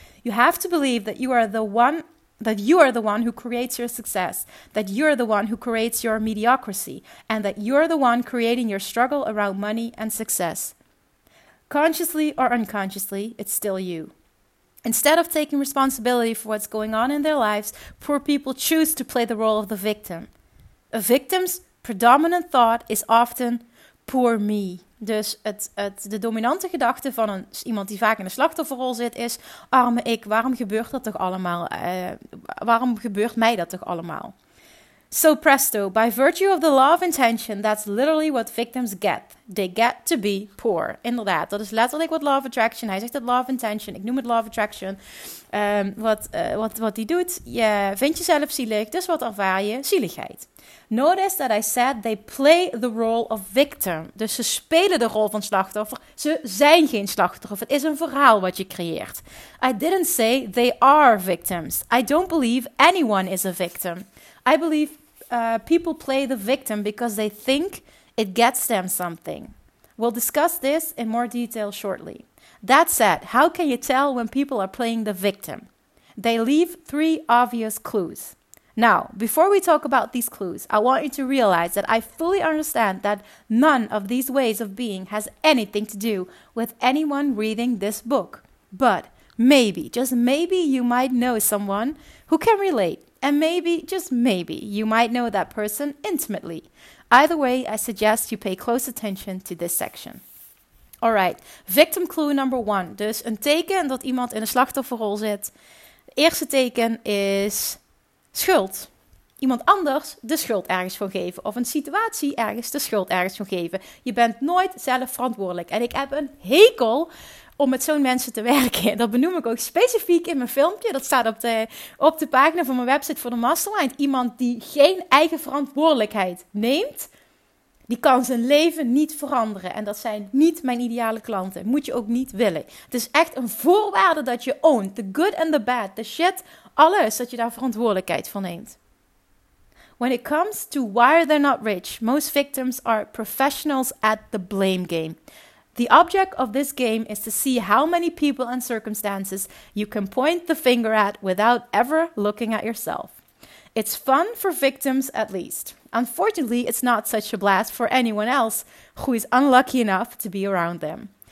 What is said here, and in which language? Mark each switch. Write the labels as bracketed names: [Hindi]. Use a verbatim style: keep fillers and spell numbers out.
[English] You have to believe that you are the one that you are the one who creates your success, that you're the one who creates your mediocrity, and that you're the one creating your struggle around money and success. Consciously or unconsciously, it's still you. Instead of taking responsibility for what's going on in their lives, poor people choose to play the role of the victim. A victim's predominant thought is often poor me. [Dutch] Dus het, het, de dominante gedachte van een, iemand die vaak in de slachtofferrol zit is: arme ik, waarom gebeurt dat toch allemaal? Uh, waarom gebeurt mij dat toch allemaal? [English] So presto, by virtue of the law of intention, that's literally what victims get. They get to be poor. [Dutch] Inderdaad, dat is letterlijk wat law of attraction. Hij zegt het law of intention. Ik noem het law of attraction. Um, wat, uh, wat, wat die doet, je vindt jezelf zielig, dus wat ervaar je? Zieligheid. [English] Notice that I said they play the role of victim. [Dutch] Dus ze spelen de rol van slachtoffer. Ze zijn geen slachtoffer. Het is een verhaal wat je creëert. [English] I didn't say they are victims. I don't believe anyone is a victim. I believe uh, people play the victim because they think it gets them something. We'll discuss this in more detail shortly. That said, how can you tell when people are playing the victim? They leave three obvious clues. Now, before we talk about these clues, I want you to realize that I fully understand that none of these ways of being has anything to do with anyone reading this book. But maybe, just maybe, you might know someone who can relate. And maybe, just maybe, you might know that person intimately. Either way, I suggest you pay close attention to this section. Alright, victim clue number one. [Dutch] Dus een teken dat iemand in een slachtofferrol zit. Het eerste teken is schuld. Iemand anders de schuld ergens voor geven. Of een situatie ergens de schuld ergens voor geven. Je bent nooit zelf verantwoordelijk. En ik heb een hekel om met zo'n mensen te werken. Dat benoem ik ook specifiek in mijn filmpje. Dat staat op de, op de pagina van mijn website voor de Mastermind. Iemand die geen eigen verantwoordelijkheid neemt, die kan zijn leven niet veranderen. En dat zijn niet mijn ideale klanten. Moet je ook niet willen. Het is echt een voorwaarde dat je own. [English] The good and the bad. The shit. [Dutch] Alles. Dat je daar verantwoordelijkheid van neemt. [English] When it comes to why are they not rich, most victims are professionals at the blame game. The object of this game is to see how many people and circumstances you can point the finger at without ever looking at yourself. It's fun for victims at least. Unfortunately, it's not such a blast for anyone else who is unlucky enough to be around them.